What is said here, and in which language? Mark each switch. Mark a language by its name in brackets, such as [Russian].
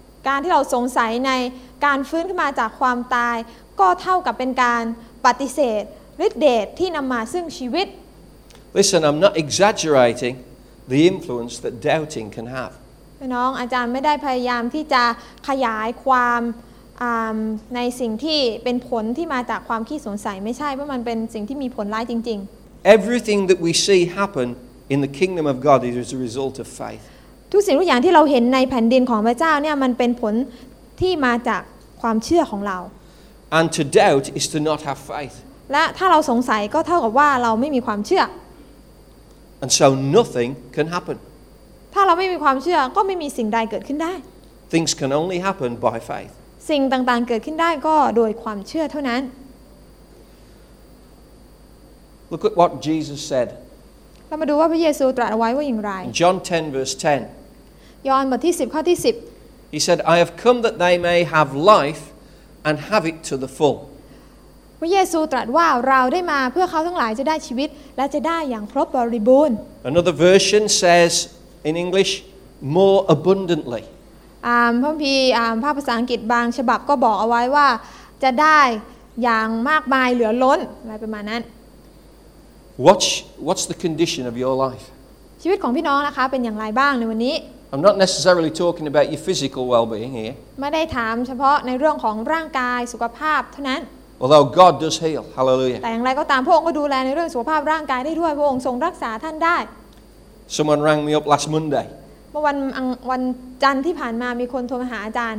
[Thai] การที่เราสงสัยในการฟื้นขึ้นมาจากความตายก็เท่ากับเป็นการปฏิเสธฤทธิ์เดชที่นำมาซึ่งชีวิต [English] Listen, I'm not exaggerating the influence that doubting can have. [Thai] น้องอาจารย์ไม่ได้พยายามที่จะขยายความในสิ่งที่เป็นผลที่มาจากความขี้สงสัยไม่ใช่เพราะมันเป็นสิ่งที่มีผลร้ายจริง [English] ๆ Everything that we see happen in the kingdom of God is a result of faith. [Thai] ทุกสิ่งทุกอย่างที่เราเห็นในแผ่นดินของพระเจ้าเนี่ยมันเป็นผลที่มาจากความเชื่อของเรา [English] And to doubt is to not have faith. [Thai] และถ้าเราสงสัยก็เท่ากับว่าเราไม่มีความเชื่อ [English] And so nothing can happen. [Thai] ถ้าเราไม่มีความเชื่อก็ไม่มีสิ่งใดเกิดขึ้นได้ [English] Things can only happen by faith. [Thai] สิ่งต่างๆเกิดขึ้นได้ก็โดยความเชื่อเท่านั้น [English] Look at what Jesus said. [Thai] เรามาดูว่าพระเยซูตรัสเอาไว้ว่าอย่างไร [English] John 10 verse 10. [Thai] ยอห์นบทที่10ข้อที่10 [English] He said, "I have come that they may have life, and have it to the full." [Thai] พระเยซูตรัสว่าเราได้มาเพื่อเขาทั้งหลายจะได้ชีวิตและจะได้อย่างครบบริบูรณ์ [English] Another version says in English more abundantly [Thai] พระคัมภีร์ภาษาอังกฤษบางฉบับก็บอกเอาไว้ว่าจะได้อย่างมากมายเหลือล้นอะไรประมาณนั้น [English] What's the condition of your life [Thai] ชีวิตของพี่น้องนะคะเป็นอย่างไรบ้างในวันนี้ [English] I'm not necessarily talking about your physical well-being here [Thai] ไม่ได้ถามเฉพาะในเรื่องของร่างกายสุขภาพเท่านั้น [English] Although God does heal, hallelujah. [Thai] แต่อย่างไรก็ตามพระองค์ก็ดูแลในเรื่องสุขภาพร่างกายได้ด้วยพระองค์ทรงรักษาท่านได้ [English] Someone rang me up last Monday. [Thai] เมื่อวันจันทร์ที่ผ่านมามีคนโทรมาหาอาจารย